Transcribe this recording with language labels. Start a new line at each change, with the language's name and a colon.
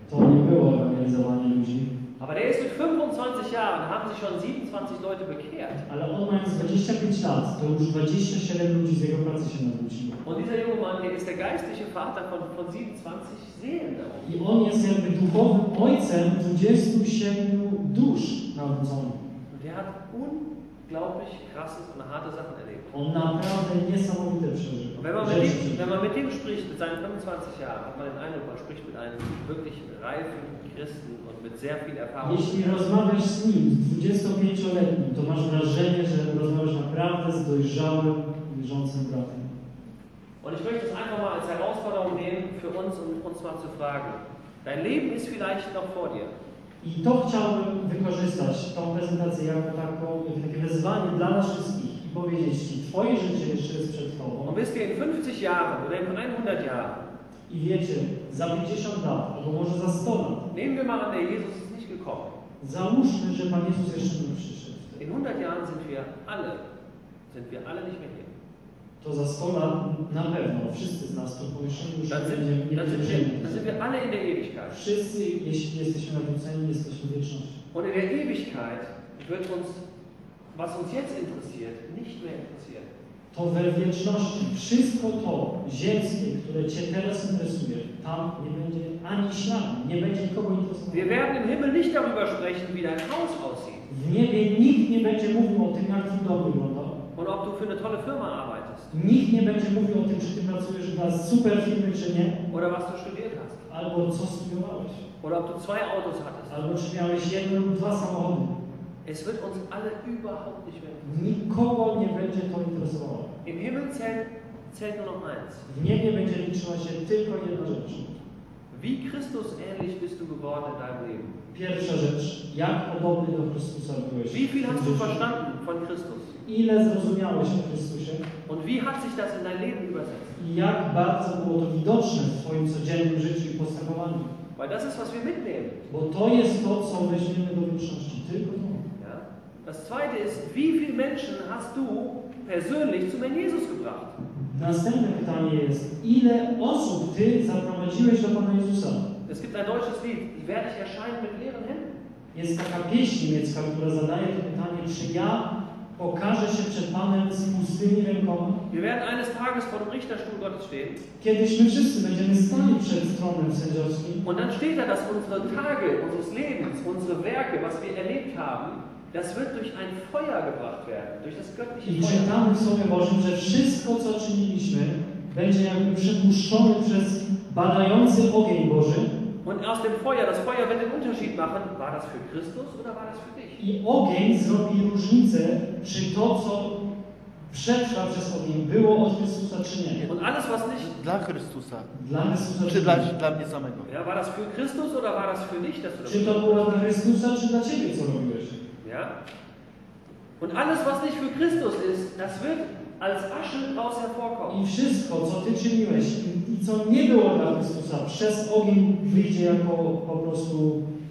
Polish: To nie było ewangelizowanie ludzi.
German: Aber der ist mit 25 Jahren, haben sich schon 27 Leute bekehrt.
Polish: Ale on mając 25 lat, to już 27 ludzi z jego pracy się nawróciło.
German: Und dieser junge Mann, der ist der geistliche Vater von 27 Seelen.
Polish: I on jest jakby duchowym ojcem 27 dusz nawróconych.
German: Und er hat unglaublich krasses und harte Sachen erlebt.
Polish: On naprawdę niesamowite przeżył.
German: Wenn man mit ihm spricht, mit seinen 25 Jahren, hat man den Eindruck, man spricht mit einem wirklich reifen Christen.
Polish: Jeśli rozmawiasz z nim, 25-letnim, to masz wrażenie, że rozmawiasz naprawdę z dojrzałym, wierzącym bratem.
German: Und ich möchte es einfach mal als Herausforderung nehmen für uns und uns mal zu fragen. Dein Leben ist vielleicht noch vor dir.
Polish: I to chciałbym wykorzystać, tą prezentację jako takie wezwanie dla nas wszystkich i powiedzieć ci, twoje życie jeszcze jest przed tobą.
German: Und bist du in 50 Jahren oder in 100 Jahren.
Polish: I wiecie, za 50 lat, albo może za 100 lat.
German: Nehmen wir mal an, der Jesus ist nicht gekommen.
Polish: Załóżmy, że Pan Jezus jeszcze nie przyszedł.
German: In 100 Jahren sind wir alle nicht mehr hier.
Polish: To za 100 lat na pewno wszyscy z nas tu pomieszczeni już nie będziemy.
German: Znaczy wir alle in der Ewigkeit.
Polish: Wszyscy, jeśli jesteśmy nawróceni, jesteśmy wiecznością.
German: Und in der Ewigkeit wird uns, was uns jetzt interessiert, nicht mehr interessieren.
Polish: To we wieczności wszystko to ziemskie, które cię teraz interesuje, tam nie będzie ani śladu, nie będzie nikogo interesować.
German: Wir werden im Himmel nicht darüber sprechen, wie dein Haus aussieht.
Polish: W niebie nikt nie będzie mówił o tym, jak twój dom wygląda.
German: Und ob du für eine tolle Firma arbeitest.
Polish: Nikt nie będzie mówił o tym, czy ty pracujesz dla super firmy, czy nie.
German: Oder was du studiert hast.
Polish: Albo co studiowałeś.
German: Oder ob du zwei Autos hattest.
Polish: Albo czy miałeś jedno lub dwa samochody.
German: Es wird uns alle überhaupt nicht mehr interessieren.
Polish: Nikogo nie będzie to interesowało.
German: Im Himmel zählt nur noch eins.
Polish: W niebie będzie liczyła się tylko jedna rzecz.
German: Wie Christus ähnlich bist du geworden in deinem Leben?
Polish: Pierwsza rzecz. Jak podobny do Chrystusa byłeś?
German: Wie viel hast du verstanden von Christus?
Polish: Ile zrozumiałeś o Chrystusie?
German: Und wie hat sich das in dein Leben übersetzt?
Polish: I jak bardzo było to widoczne w twoim codziennym życiu i postępowaniu?
German: Weil das ist, was wir mitnehmen.
Polish: Bo to jest to, co weźmiemy do wieczności. Tylko to.
German: Das zweite ist, wie viele Menschen hast du persönlich zu meinem Jesus gebracht?
Polish: Następne pytanie jest, ile osób ty zaprowadziłeś do Pana Jezusa?
German: Es gibt ein deutsches Lied, werde ich erscheinen mit leeren Händen?
Polish: Jest taka pieśń niemiecka, która zadaje to pytanie, czy ja pokażę się przed Panem z pustymi rękoma?
German: Wir werden eines Tages vor dem Richterstuhl Gottes stehen.
Polish: Kiedyś my wszyscy będziemy stali przed tronem sędziowskim.
German: Und dann steht da, dass unsere Tage, unseres Lebens, unsere Werke, was wir erlebt haben, das wird durch ein Feuer gebracht werden, durch das göttliche Feuer.
Polish: I czytamy w Słowie Bożym, że wszystko, co czyniliśmy, będzie jakby przepuszczone przez badający ogień Boży.
German: Und aus dem Feuer, das Feuer wird den Unterschied machen, war das für Christus oder war das für dich?
Polish: I ogień zrobi różnicę, czy to, co przeszła przez ogień, było od Chrystusa, czy nie.
German: Und alles, was nicht...
Polish: Dla Chrystusa. Dla Chrystusa, czy dla mnie samego.
German: Ja, war das für Christus oder war das für dich, dass du...
Polish: Czy to było dla Chrystusa, czy dla ciebie, co robiłeś?
German: Ja? Und alles, was nicht für Christus ist, das wird als Asche daraus hervorkommen.
Polish: I wszystko, co ty czyniłeś i co nie było dla Chrystusa, przez ogień wyjdzie jako po prostu